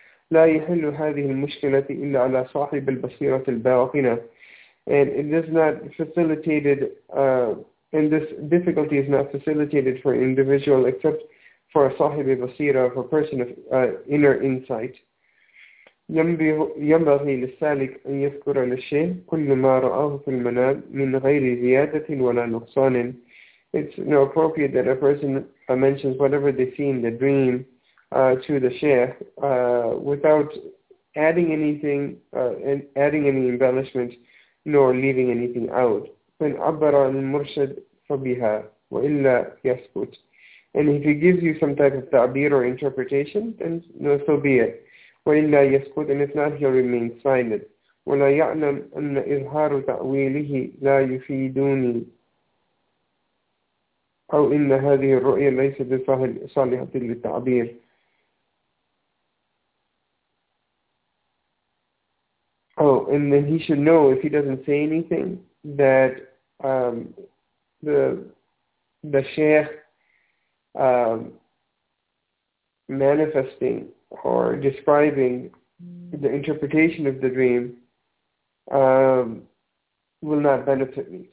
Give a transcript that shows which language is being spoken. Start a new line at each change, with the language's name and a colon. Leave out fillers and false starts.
Arabic: لا يحل هذه المشكلة إلا على صاحب البصيرة الباطنة,
English: and it is not facilitated, and this difficulty is not facilitated for an individual except for a صاحب البصيرة, for a person of inner insight.
Arabic: ينبغي للسالك أن يذكر للشيخ كل ما رآه في المنام من غير زيادة ولا نقصان.
English: It's not appropriate that a person mentions whatever they see in the dream to the sheikh without adding anything and adding any embellishment nor leaving anything out.
Arabic: فإن عبر عن المرشد فبها وإلا يسكت.
English: And if he gives you some type of ta'bir or interpretation, then so be it.
Arabic: وإلا يسكت,
English: and if not, he'll remain silent.
Arabic: ولا يعلم أن إظهار تأويله لا يفيدني أو إن هذه الرؤية ليست صالحة للتعبير.
English: Oh, and then he should know if he doesn't say anything that the sheikh manifesting or describing the interpretation of the dream will not benefit me.